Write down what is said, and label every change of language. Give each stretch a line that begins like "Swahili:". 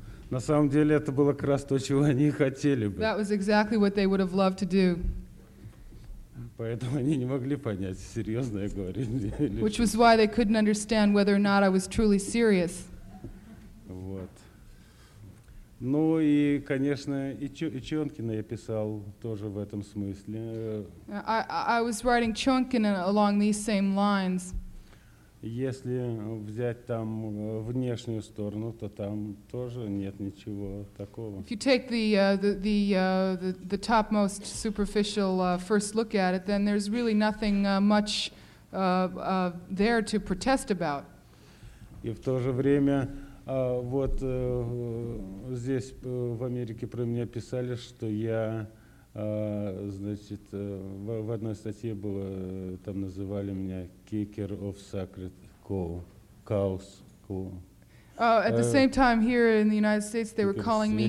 Russian: На самом деле это было как раз то, чего они хотели бы.
English: That was exactly what they would have loved to do.
Russian: Поэтому они не могли понять, серьезно я говорю.
English: Which was why they couldn't understand whether or not I was truly serious.
Russian: Вот. Ну и, конечно, и Чонкина я писал тоже в этом смысле.
English: I was writing Chonkin along these same lines.
Russian: Если взять там внешнюю сторону, то там тоже нет ничего такого.
English: If you take the topmost superficial first look at it, then there's really nothing much there to protest about.
Russian: И в то же время вот здесь в Америке про меня писали, что я значит в одной статье было там называли меня
English: kicker of sacred cows. At the same time here in the United States they were calling me